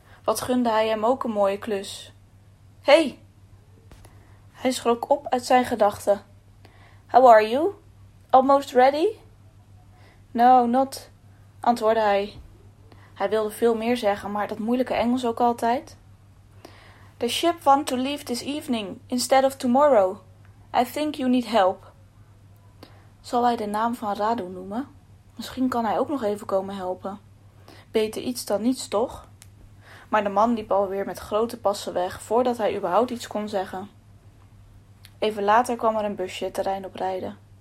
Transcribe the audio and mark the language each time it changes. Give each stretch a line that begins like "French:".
Dutch: Wat gunde hij hem ook een mooie klus. Hey! Hij schrok op uit zijn gedachten.
English: How are you? Almost ready? No, not,
Dutch: antwoordde hij. Hij wilde veel meer zeggen, maar dat moeilijke Engels ook altijd.
English: The ship want to leave this evening instead of tomorrow. I think you need help.
Dutch: Zal hij de naam van Radu noemen? Misschien kan hij ook nog even komen helpen. Beter iets dan niets, toch? Maar de man liep alweer met grote passen weg voordat hij überhaupt iets kon zeggen. Even later kwam er een busje het terrein op rijden.